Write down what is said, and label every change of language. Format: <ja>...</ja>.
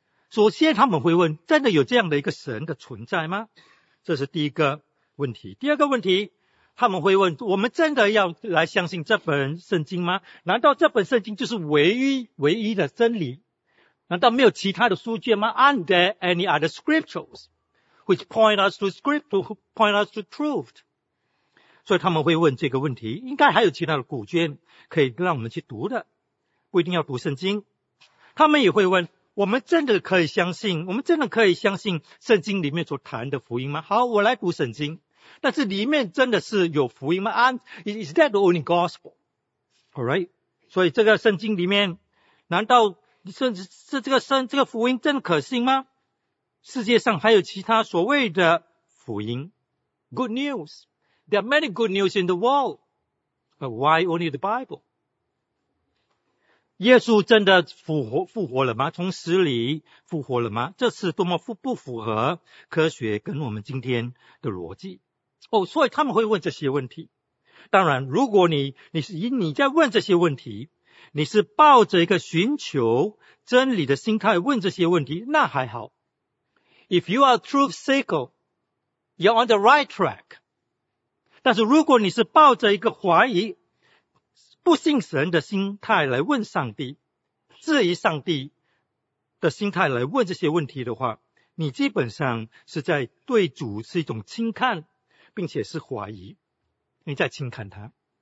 <zh>首先他们会问，真的有这样的一个神的存在吗？这是第一个问题。第二个问题，他们会问，我们真的要来相信这本圣经吗？难道这本圣经就是唯一的真理？难道没有其他的书卷吗？</zh> <en>Aren't there any other scriptures which point us to truth？</en> <zh>所以他们会问这个问题，应该还有其他的古卷可以让我们去读的，不一定要读圣经。他们也会问，我们真的可以相信圣经里面所谈的福音吗？好，我来读圣经，但是里面真的是有福音吗？</zh> <en>Is that the only gospel? Alright，</en> <zh>所以这个圣经里面，难道这个福音真的可信吗？世界上还有其他所谓的福音</zh> <en>？Good news， there are many good news in the world， but why only the Bible？</en> <zh>耶稣真的复活了吗？从死里复活了吗？这是多么不符合科学跟我们今天的逻辑。哦，所以他们会问这些问题。当然，如果你在问这些问题，你是抱着一个寻求真理的心态问这些问题，那还好。</zh> <en>If you are truth seeker, you're on the right track.</en> <zh>但是如果你是抱着一个怀疑，不信神的心态来问上帝，质疑上帝的心态来问这些问题的话，你基本上是在对主是一种轻看，并且是怀疑，你在轻看他。</zh>